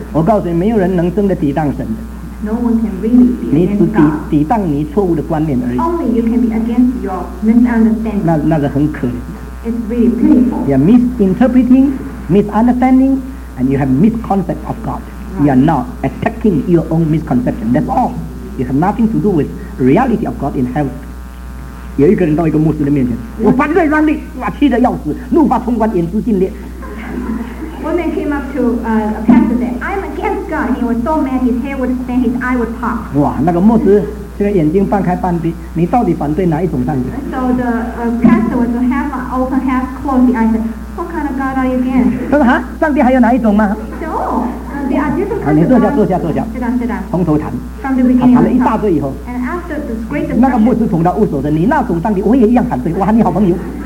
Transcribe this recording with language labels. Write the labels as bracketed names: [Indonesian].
[Chinese] 我告诉你，没有人能真的抵挡神的。 [English] No one can really be against God. [Chinese] 你只抵挡你错误的观念而已。 [English] Only you can be against your misunderstanding. [Chinese] 那个很可怜。 [English] It's really painful. You are misinterpreting, misunderstanding, and you have misconception of God. Right. You are not attacking your own misconception. That's all. You have nothing to do with reality of God in heaven. [Chinese] 有一个人到一个牧师的面前， 我反对上帝， 我气得要死， 怒发冲冠， 眼珠尽裂。 [English] One man came up to a pastor and said, I'm against God. He was were so mad, his hair would stand, his eye would pop. [Chinese] 哇，那个牧师这个眼睛半开半闭，你到底反对哪一种上帝？ [English] So the pastor was half open, half closed. I said, "What kind of God are you again?" [Chinese] 他说哈，上帝还有哪一种吗？ [English] No. Yeah, [Chinese] 你坐下，坐下，坐下。从头谈，他谈了一大堆以后，那个牧师从他握手的，你那种上帝，我也一样反对。我和你好朋友。